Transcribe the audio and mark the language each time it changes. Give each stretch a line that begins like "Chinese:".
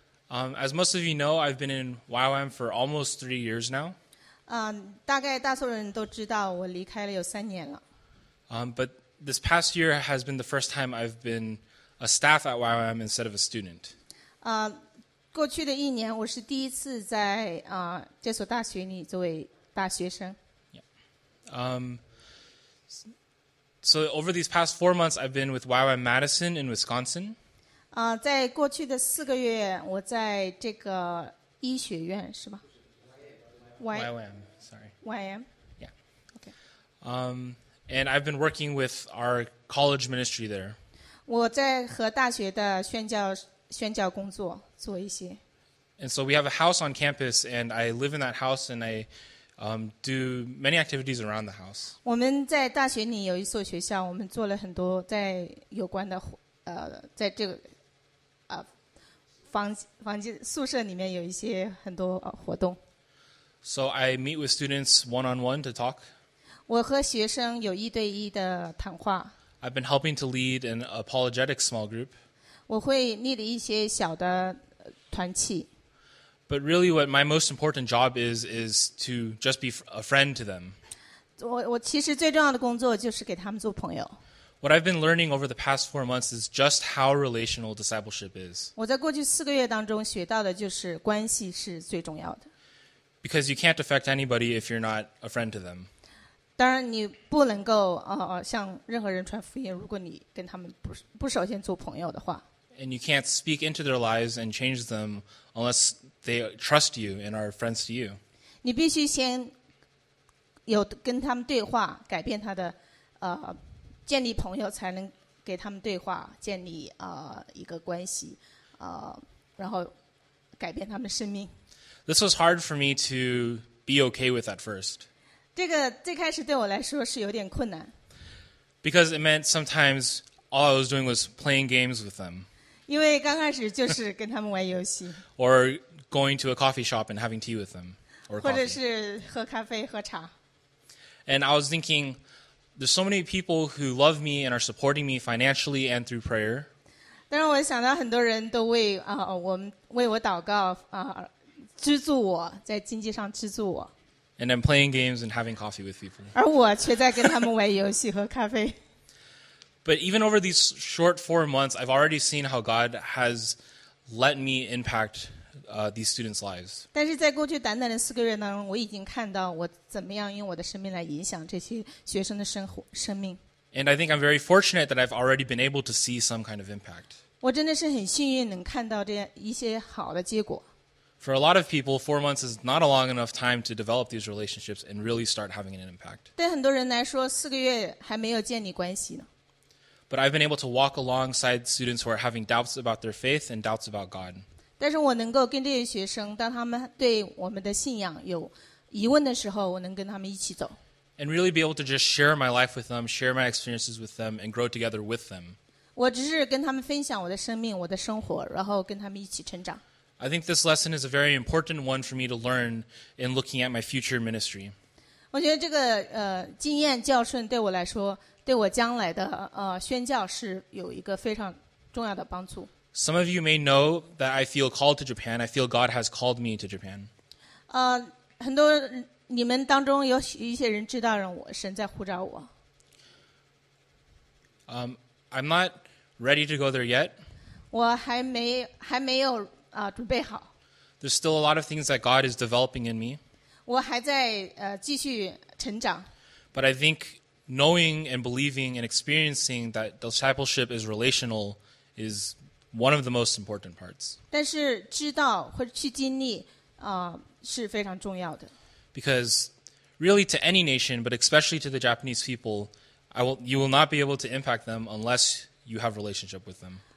English: As most of you know, I've been in YWAM for almost 3 years now. But this past year has been the first time I've been a staff at YWAM instead of a student.
Chinese: 过去的一年我是第一次在这所大学里作为大学生。
English: So over these past 4 months, I've been with YWAM Madison in Wisconsin.
Chinese: 在过去的四个月，我在这个医学院是吧
English: ？YWAM, sorry. YWAM. Yeah. Okay. And I've been working with our college ministry there.
Chinese: 我在和大学的宣教工作做一些。
English: And so we have a house on campus, and I live in that house, and I do many activities around the house.
Chinese: 我们在大学里有一所学校，我们做了很多在有关的在这个房间宿舍里面有一些很多活动。
English: So I meet with students one-on-one to talk.
Chinese: 我和学生有一对一的谈话。
English: I've been helping to lead an apologetic small group.
Chinese: 我会立了一些小的团契。
English: But really what my most important job is to just be a friend to them.
Chinese: 我其实最重要的工作就是给他们做朋友。
English: What I've been learning over the past 4 months is just how relational discipleship is.
Chinese: 我在过去四个月当中学到的就是关系是最重要的。
English: Because you can't affect anybody if you're not a friend to them.
Chinese: 当然你不能够向任何人传福音如果你跟他们不首先做朋友的话。
English: And you can't speak into their lives and change them unless they trust you and are friends to you.
Chinese: 你必须先有跟他们对话，改变他的建立朋友，才能给他们对话，建立一个关系，然后改变他们的生命。
English: This was hard for me to be okay with at first.
Chinese: 这个最开始对我来说是有点困难。
English: Because it meant sometimes all I was doing was playing games with them.
Chinese: 因为刚开始就是跟他们玩游戏。
English: Or going to a coffee shop and having tea with them. Or
Chinese: 或者是喝咖啡喝茶。
English: And I was thinking, there's so many people who love me and are supporting me financially and through prayer.
Chinese: 但是我想到很多人都为我祷告资助我在经济上资助我。
English: And I'm playing games and having coffee with people.
Chinese: 而我却在跟他们玩游戏喝咖啡。
English: But even over these short 4 months, I've already seen how God has let me impact these students' lives.
Chinese: 但是在过去短短的四个月当中，我已经看到我怎么样用我的生命来影响这些学生的生命。
English: And I think I'm very fortunate that I've already been able to see some kind of impact.
Chinese: 我真的是很幸运能看到这一些好的结果。
English: For a lot of people, 4 months is not a long enough time to develop these relationships and really start having an impact.
Chinese: 对很多人来说，四个月还没有建立关系呢。
English: But I've been able to walk alongside students who are having doubts about their faith and doubts about God.
Chinese: 但是我能够跟这些学生，当他们对我们的信仰有疑问的时候，我能跟他们一起走。
English: And really be able to just share my life with them, share my experiences with them, and grow together with them.
Chinese: 我只是跟他们分享我的生命，我的生活，然后跟他们一起成长。
English: I think this lesson is a very important one for me to learn in looking at my future ministry.
Chinese: 我觉得这个经验教训对我来说对我将来的宣教是有一个非常重要的帮助。
English: Some of you may know that I feel called to Japan. I feel God has called me to Japan.
Chinese: 很多你们当中有一些人知道让我神在呼召我。
English: I'm not ready to go there yet.
Chinese: 我还没有准备好。
English: There's still a lot of things that God is developing in me.
Chinese: 我还在继续成长。
English: But I think knowing and believing and experiencing that discipleship is relational is one of the most important parts.
Chinese: 但是知道或者去经历是非常重要的。
English: Because really to any nation, but especially to the Japanese people, you will not be able to impact them unless you have relationship with them.